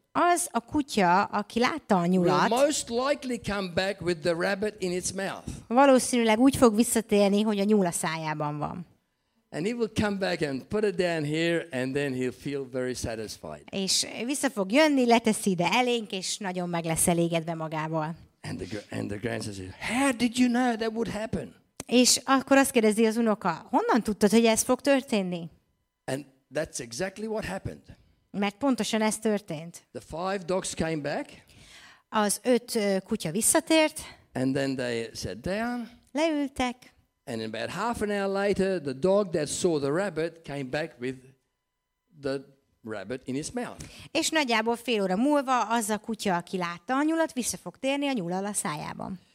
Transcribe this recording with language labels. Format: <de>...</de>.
<hu>az a kutya, aki látta a nyulat,</hu> <en>will most likely come back with the rabbit in its mouth.</en> <hu>Valószínűleg úgy fog visszatérni, hogy a nyula szájában van.</hu> <en>And he will come back and put it down here, and then he'll feel very satisfied.</en> <hu>És vissza fog jönni, leteszi ide elénk, és nagyon meg lesz elégedve magával.</hu> <en>And the grandson says, "How did you know that would happen?"</en> <hu>És akkor azt kérdezi az unoka, honnan tudtad, hogy ez fog történni?</hu> <en>And that's exactly what happened.</en> <hu>Mert pontosan ez történt.</hu> <en>The five dogs came back.</en> <hu>Az öt kutya visszatért.</hu> <en>And then they sat down.</en> <hu>Leültek.</hu> <en>And about half an hour later, the dog that saw the rabbit came back with the rabbit in his mouth.</en> <hu>És nagyjából fél óra múlva az a kutya, aki látta a nyulat, vissza fog térni a nyulal a szájában.</hu>